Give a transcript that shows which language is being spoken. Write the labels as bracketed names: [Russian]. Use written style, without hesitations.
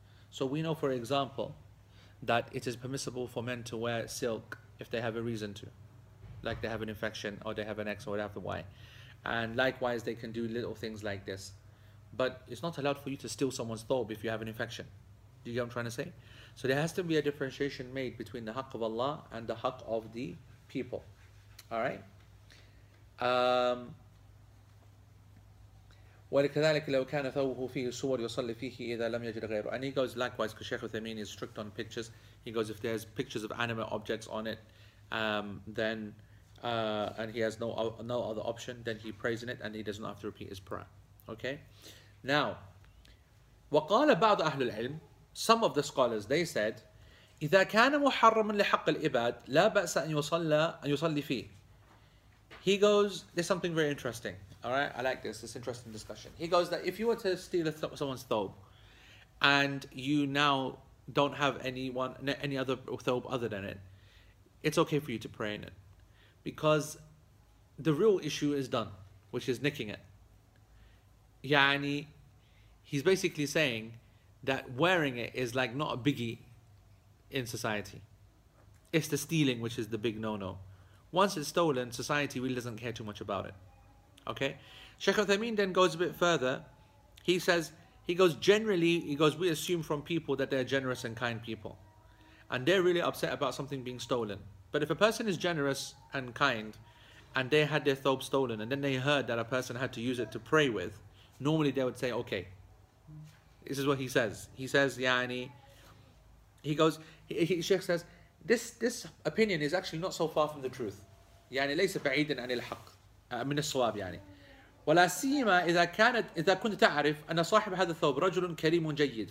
[English] So we know, for example, that it is permissible for men to wear silk if they have a reason to, like they have an infection or they have an X or they have a Y. And likewise, they can do little things like this. But it's not allowed for you to steal someone's thawb if you have an infection. Do you get what I'm trying to say? So there has to be a differentiation made between the haqq of Allah and the haqq of the people. Alright? [Arabic] ولكذلك لو كان ثوبه فيه صور يصلي فيه إذا لم يجد غيره. [English] And he goes likewise, because Sheikh Uthaymeen is strict on pictures. He goes, if there's pictures of animate objects on it, then and he has no other option, then he prays in it and he doesn't have to repeat his prayer. Okay. [Arabic] Now, وقال بعض أهل العلم, [English] some of the scholars, they said, [Arabic] إذا كان محرما لحق العباد لا بأس أن يصلي فيه. [English] He goes, there's something very interesting. All right, I like this. It's an interesting discussion. He goes that if you were to steal someone's thawb, and you now don't have any other thawb other than it, it's okay for you to pray in it, because the real issue is done, which is nicking it. Yani, he's basically saying that wearing it is like not a biggie in society. It's the stealing which is the big no-no. Once it's stolen, society really doesn't care too much about it. Okay, Sheikh Uthaymeen then goes a bit further. He says, generally, we assume from people that they're generous and kind people, and they're really upset about something being stolen. But if a person is generous and kind, and they had their thawb stolen, and then they heard that a person had to use it to pray with, normally they would say, okay. This is what he says. He says, yani, he goes, Sheikh says, this opinion is actually not so far from the truth. [Arabic] يعني ليس بعيدا عن الحق من الصواب يعني. ولا سيما إذا كنت تعرف أن صاحب هذا الثوب رجل كريم جيد.